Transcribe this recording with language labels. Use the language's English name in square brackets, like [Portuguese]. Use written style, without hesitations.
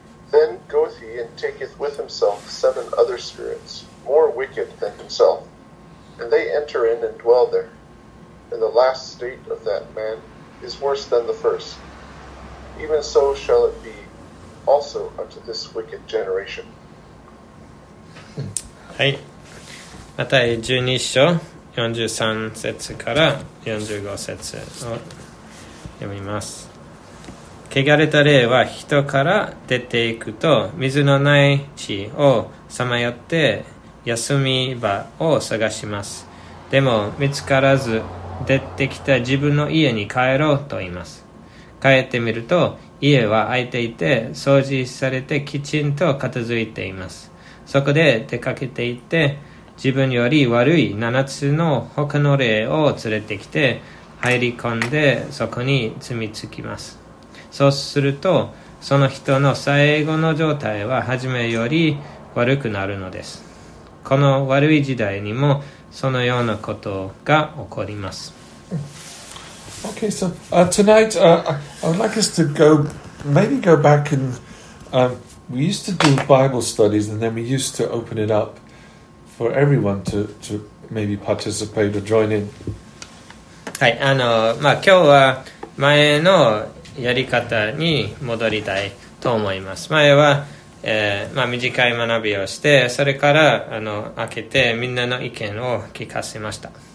[English] Then goeth he and taketh with himself seven other spirits, more wicked than himself. And they enter in and dwell there. And the last state of that man is worse than the first. Even so shall it be also unto this wicked generation. [Japanese] はい、マタイ12章43節から45節を読みます。汚れた霊は人から出ていくと水のない地をさまよって休み場を探します。でも見つからず出てきた自分の家に帰ろうと言います。帰ってみると家は空いていて掃除されてきちんと片付いています。そこで出かけていって、自分より悪い7つの他の霊を連れてきて、入り込んでそこに住み着きます。そうすると、その人の最後の状態は初めより悪くなるのです。この悪い時代にもそのようなことが起こります。 [English] Okay, so tonight I would like us to go back and we used to do Bible studies, and then we used to open it up for everyone to maybe participate or join in. [Japanese] はい、今日は前のやり方に戻りたいと思います。前は、短い学びをして、それから開けてみんなの意見を聞かせました。